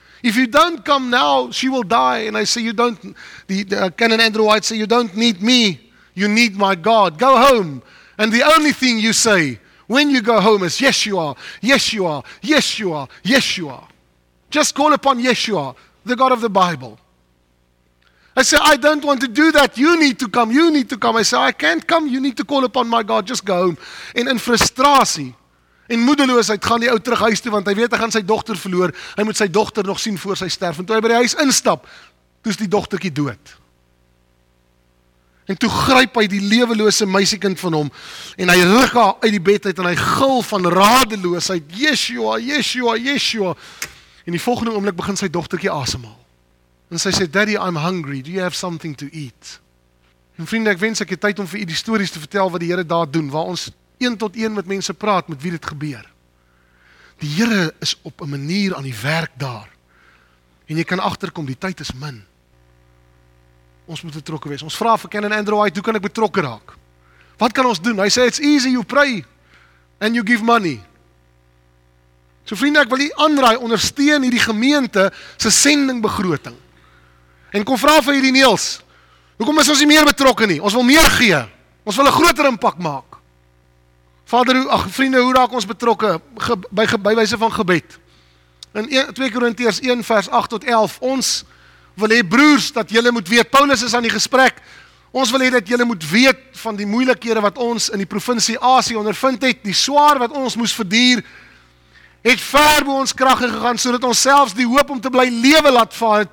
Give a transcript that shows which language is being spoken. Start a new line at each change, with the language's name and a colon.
English: If you don't come now, she will die. And I say, you don't, Canon Andrew White say, you don't need me, you need my God. Go home. And the only thing you say when you go home is, yes you are, yes you are, yes you are, yes you are. Just call upon Yeshua, the God of the Bible. I say, I don't want to do that. You need to come, you need to come. I say, I can't come. You need to call upon my God. Just go home.
Afrikaans: En in frustrasie, en moedeloosheid, gaan die ou terug huis toe, want hy weet hy gaan sy dogter verloor. Hy moet sy dogter nog sien voor sy sterf. En toe hy by die huis instap, toe is die dogtertjie dood. En toe gryp hy die lewelose meisiekind van hom en hy ruk haar uit die bed uit en hy gil van radeloosheid, Yeshua, Yeshua, Yeshua. En die volgende oomblik begin sy dogtertjie asemhaal. En sy sê,
English: Daddy, I'm hungry. Do you have something to eat?
Afrikaans: En vriende, ek wens ek het tyd om vir u die stories te vertel wat die Here daar doen, waar ons een tot een met mense praat met wie dit gebeur. Die Here is op 'n manier aan die werk daar. En jy kan agterkom, die tyd is min. Ons moet betrokke wees. Ons vra vir Ken en Andrew White, hoe kan ek betrokke raak? Wat kan ons doen? Hy sê,
English: it's easy, you pray and you give money.
Afrikaans: So vriende, ek wil u aanraai, ondersteun hierdie gemeente se sendingbegroting. En kom vra vir hierdie Niels, hoekom is ons nie meer betrokke nie? Ons wil meer gee. Ons wil 'n groter impak maak. Vader, ag vriende, hoe raak ons betrokke by wyse van gebed? In 2 Korintiërs 1 vers 8 tot 11, ons wil hê broers dat julle moet weet, Paulus is aan die gesprek, ons wil hê dat julle moet weet van die moeilikhede wat ons in die provinsie Asie ondervind het, die swaar wat ons moes verduur, het ver bo ons krag gegaan, sodat ons selfs die hoop om te bly lewe laat vaar.